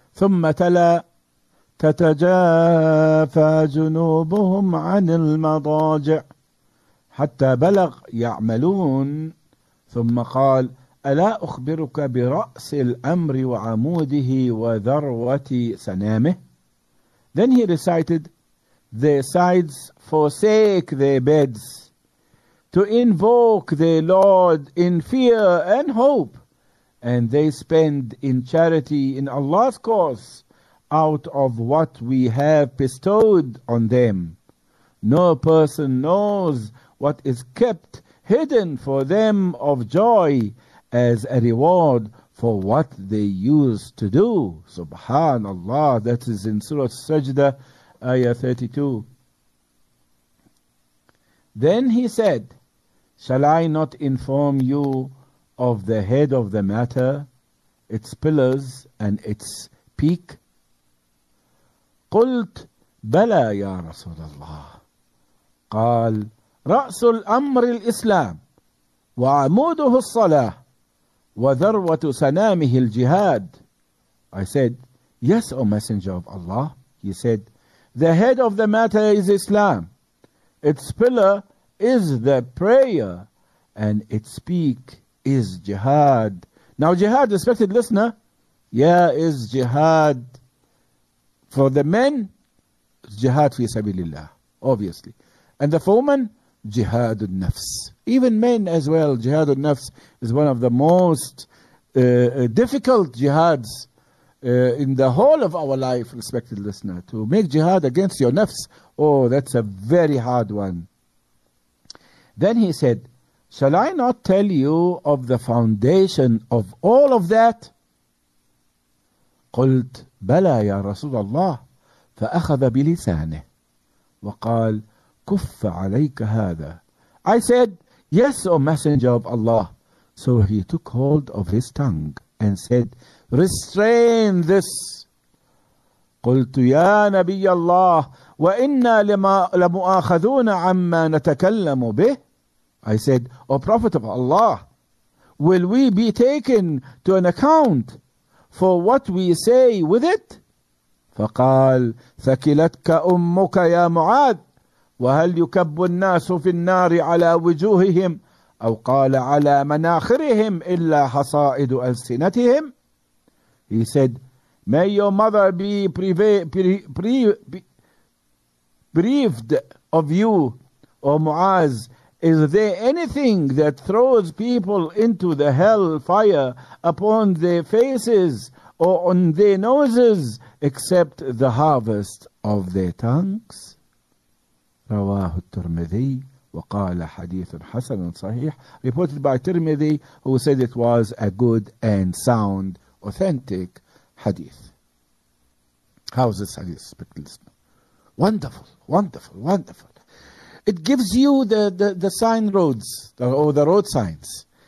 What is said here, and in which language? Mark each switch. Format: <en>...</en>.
<ar>ثم تلا تتجافى جنوبهم عن المضاجع حتى بلغ يعملون ثم قال ألا أخبرك برأس الأمر وعموده وذروة سنامه.</ar> <en>Then he recited, their sides forsake their beds to invoke their Lord in fear and hope, and they spend in charity in Allah's cause out of what we have bestowed on them. No person knows what is kept hidden for them of joy as a reward for what they used to do. Subhanallah. That is in Surah Sajda, Ayah 32. Then he said, shall I not inform you of the head of the matter, its pillars and its peak?</en> <ar>قلت بلى يا رسول الله. قال رأس الأمر الإسلام وعموده الصلاة وذروة سنامه الجهاد.</ar> <en>I said, yes, O Messenger of Allah. He said, the head of the matter is Islam, its pillar is the prayer, and its peak is jihad. Now jihad, respected listener, is jihad for the men, jihad fi sabilillah, obviously. And the for women, jihad al-nafs. Even men as well, jihad al-nafs is one of the most difficult jihads in the whole of our life, respected listener. To make jihad against your nafs, oh, that's a very hard one. Then he said, shall I not tell you of the foundation of all of that?</en> <ar>قلت بلى يا رسول الله فأخذ بلسانه وقال كف عليك هذا.</ar> <en>I said, yes, O Messenger of Allah. So he took hold of his tongue and said, restrain this.</en> <ar>قلت يا نبي الله وإنا لمؤاخذون عما نتكلم به.</ar> <en>I said, O Prophet of Allah, will we be taken to an account for what we say with it?</en> <ar>فقال ثكلتك أمك يا معاذ وهل يكب الناس في النار على وجوههم أو قال على مناخرهم إلا حصائد ألسنتهم.</ar> <en>He said, may your mother be bereaved of you, O Muaz. Is there anything that throws people into the hell fire upon their faces or on their noses except the harvest of their tongues?</en> <ar>رواه الترمذي وقال حديث حسن صحيح.</ar> <en>Reported by Tirmidhi, who said it was a good and sound, authentic hadith. How's this hadith? Wonderful, wonderful, wonderful. It gives you the sign roads, or the road signs.</en>